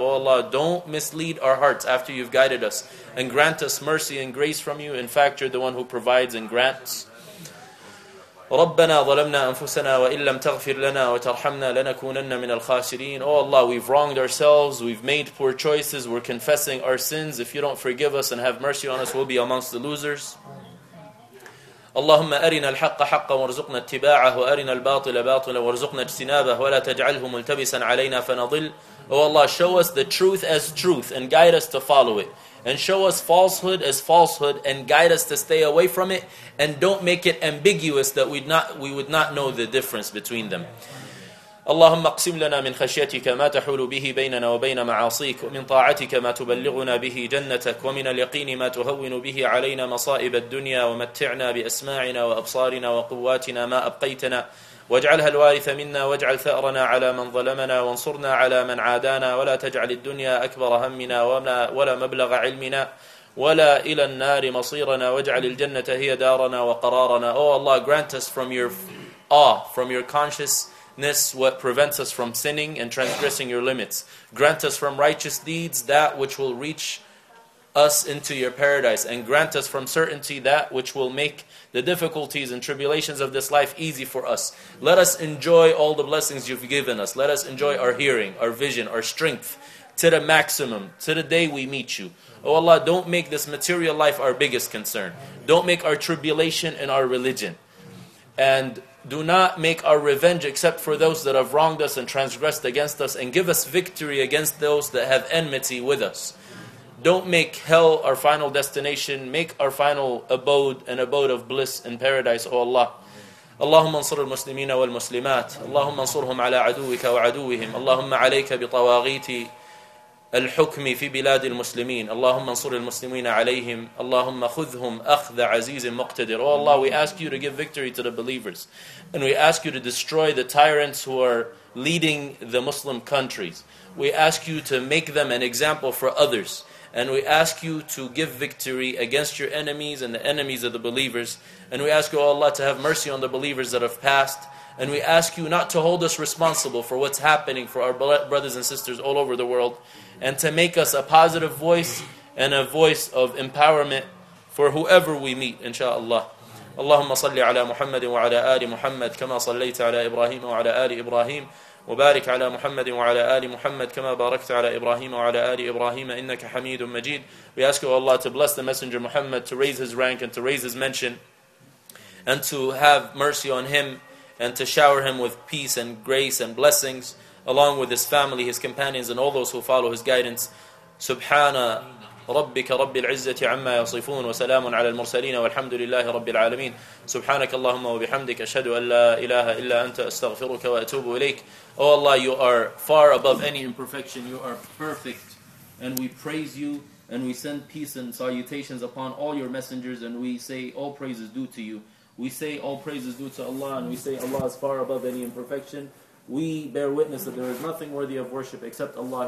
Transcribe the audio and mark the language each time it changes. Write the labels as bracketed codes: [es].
[en] O Allah, don't mislead our hearts after you've guided us and grant us mercy and grace from you. In fact, you're the one who provides and grants. [ar] رَبَّنَا ظَلَمْنَا أَنفُسَنَا وَإِن لَّمْ تَغْفِرْ لَنَا وَتَرْحَمْنَا لَنَكُونَنَّ مِنَ الْخَاسِرِينَ. [en] Oh Allah, we've wronged ourselves, we've made poor choices, we're confessing our sins. If you don't forgive us and have mercy on us, we'll be amongst the losers. [ar] اللهم أرنا الحق حقا وارزقنا اتباعه وأرنا الباطل باطلا وارزقنا اجتنابه ولا تجعله ملتبسا علينا فنضل. [en] Oh Allah, show us the truth as truth and guide us to follow it. And show us falsehood as falsehood and guide us to stay away from it. And don't make it ambiguous that we would not know the difference between them. [ar] اللهم اقسم لنا من خشيتك ما تحول به بيننا وبين معاصيك ومن طاعتك ما تبلغنا به جنتك ومن اليقين ما تهون به علينا مصائب الدنيا ومتعنا بأسماعنا وأبصارنا وقواتنا ما أبقيتنا واجعلها الوارث منا واجعل ثأرنا على من ظلمنا وانصرنا على من عادانا ولا تجعل الدنيا أكبر همنا ولا مبلغ علمنا ولا إلى النار مصيرنا واجعل الجنة هي دارنا وقرارنا. [en] Oh Allah, grant us from your awe, from your consciousness what prevents us from sinning and transgressing your limits. Grant us from righteous deeds that which will reach us into your paradise, and grant us from certainty that which will make the difficulties and tribulations of this life easy for us. Let us enjoy all the blessings you've given us. Let us enjoy our hearing, our vision, our strength to the maximum, to the day we meet you. Oh Allah, don't make this material life our biggest concern. Don't make our tribulation and our religion. And do not make our revenge except for those that have wronged us and transgressed against us, and give us victory against those that have enmity with us. Don't make hell our final destination. Make our final abode an abode of bliss in paradise, O Allah. [ar] اللهم انصر المسلمين والمسلمات. اللهم انصرهم على عدوك وعدوهم. اللهم عليك بطواغيت الحكم في بلاد المسلمين. اللهم انصر المسلمين عليهم. اللهم خذهم أخذ عزيز مقتدر. [en] O Allah, we ask you to give victory to the believers. And we ask you to destroy the tyrants who are leading the Muslim countries. We ask you to make them an example for others. And we ask you to give victory against your enemies and the enemies of the believers. And we ask you, O Allah, to have mercy on the believers that have passed. And we ask you not to hold us responsible for what's happening for our brothers and sisters all over the world. And to make us a positive voice and a voice of empowerment for whoever we meet, inshaAllah. [ar] Allahumma salli ala Muhammad wa ala ali Muhammad kama sallaita ala Ibrahim wa ala ali Ibrahim. وبارك على محمد وعلى آل محمد كما باركت على إبراهيم وعلى آل إبراهيم إنك حميد مجيد. [en] We ask you, Allah, to bless the Messenger Muhammad, to raise his rank and to raise his mention, and to have mercy on him and to shower him with peace and grace and blessings along with his family, his companions, and all those who follow his guidance. [ar] سبحان ربك رب العزة عما يصفون وسلام على المرسلين والحمد لله رب العالمين. سبحانك اللهم وبحمدك أشهد أن لا إله إلا أنت أستغفرك وأتوب إليك. [en] O Allah, you are far above any imperfection. You are perfect. And we praise you and we send peace and salutations upon all your messengers, and we say all praise is due to you. We say all praise is due to Allah, and we say Allah is far above any imperfection. We bear witness that there is nothing worthy of worship except Allah.